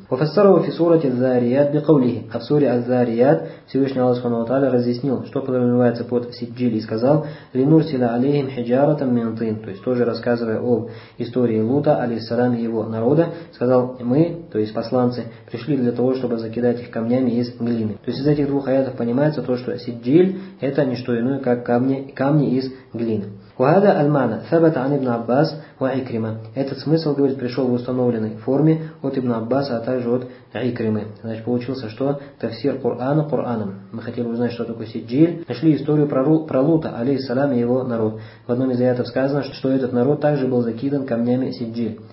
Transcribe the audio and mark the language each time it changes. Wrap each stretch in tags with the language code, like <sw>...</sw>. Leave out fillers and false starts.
<ar>Уфассарова фисурати дзаарият бикаулихи.</ar> <ru>А в суре аззаарият Всевышний Аллах Субхану Тааля разъяснил, что подразумевается под сиджили, и сказал</ru> <ar>линурсила алейхим хиджаратам мин тын.</ar> <ru>То есть тоже рассказывая об истории Лута, алейхиссалам, и его народа, сказал, мы, то есть посланцы, пришли для того, чтобы закидать их камнями из глины. То есть из этих двух аятов понимается то, что сиджиль – это не что иное, как камни из глины.</ru> <ar>وهذا المعنى ثبت عن ابن عباس وعكرمة.</ar> <ru>Этот смысл, говорит, пришел в установленной форме от ابن عباس, а также от عكرمة. Значит, получился, что тафсир Корана Кораном. Мы хотели узнать, что такое сиджиль. Нашли историю про Лута, алейхиссалам, и его народ. В одном из аятов сказано, что этот народ также был закидан камнями сиджиль.</ru>